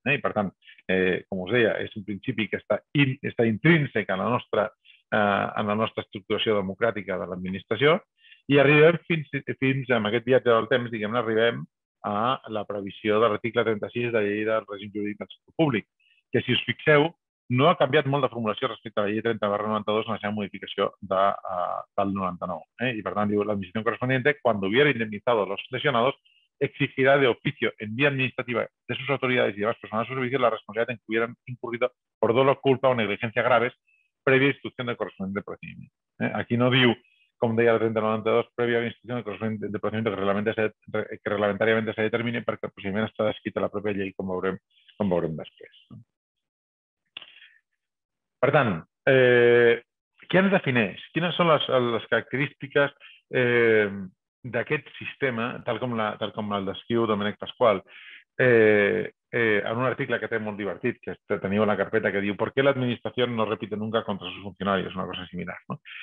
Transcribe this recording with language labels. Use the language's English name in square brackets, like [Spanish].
[Catalan] I, per tant, com us deia, és un principi que està intrínsec en la nostra estructuració democràtica de l'administració. I arribem fins amb aquest viatge del temps, diguem-ne, arribem a la previsió de l'article 36 de la llei del règim jurídic del sector públic, que, si us fixeu, no ha canviat molt de formulació respecte a la llei 30/92 en la seva modificació del 99. I, per tant, diu [Spanish] l'administració correspondiente, cuando hubiera indemnizado a los lesionados, exigirá de oficio en vía administrativa de sus autoridades y demás personas a su servicio la responsabilidad en que hubieran incurrido por dolo, culpa o negligencia graves previa instrucción del correspondiente procedimiento. [Catalan] Aquí no diu, com deia el 30/92, prèvia a la instrucció de procediment que reglamentàriament se determini, perquè el procediment està descrit a la pròpia llei, com veurem després. Per tant, què ens defineix? Quines són les característiques d'aquest sistema, tal com el descriu Domènec Pasqual, en un article que té molt divertit, que teniu a la carpeta, que diu [Spanish] «¿Por qué la administración no repite nunca contra sus funcionarios?», [Catalan] una cosa similar. No?